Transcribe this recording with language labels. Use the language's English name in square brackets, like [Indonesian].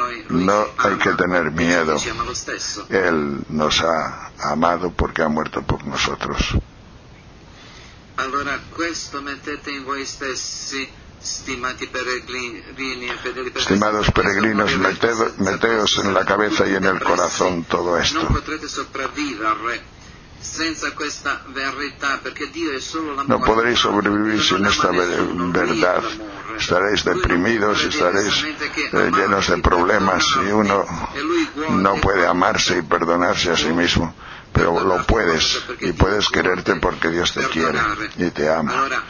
[Spanish] No hay que tener miedo. Él nos ha amado porque ha muerto por nosotros. [Italian] Allora, questo mettete in voi stessi, stimati peregrini e fedeli peregrini. [Spanish] Stimados peregrinos, meteos en la cabeza y en el corazón todo esto. [Italian] Non potrete sopravvivere senza questa verità, perché Dio è solo l'amore. [Spanish] No podréis sobrevivir sin esta verdad. Estaréis deprimidos, estaréis llenos de problemas, y uno no puede amarse y perdonarse a sí mismo. Pero lo puedes, y puedes quererte porque Dios te quiere y te ama.